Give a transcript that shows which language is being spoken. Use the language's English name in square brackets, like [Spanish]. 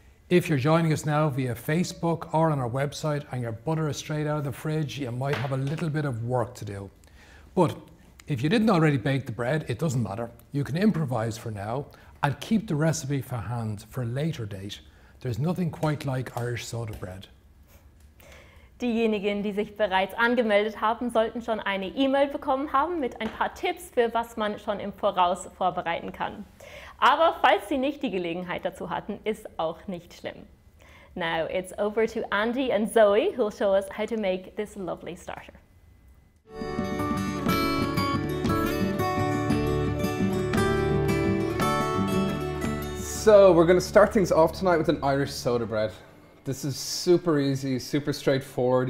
[English] If you're joining us now via Facebook or on our website and your butter is straight out of the fridge, you might have a little bit of work to do. But if you didn't already bake the bread, it doesn't matter. You can improvise for now and keep the recipe for hand for a later date. There's nothing quite like Irish soda bread. [German] Diejenigen, die sich bereits angemeldet haben, sollten schon eine E-Mail bekommen haben mit ein paar Tipps, für was man schon im Voraus vorbereiten kann. Aber falls Sie nicht die Gelegenheit dazu hatten, ist auch nicht schlimm. [English] Now it's over to Andy and Zoe, who'll show us how to make this lovely starter. So we're going to start things off tonight with an Irish soda bread. This is super easy, super straightforward.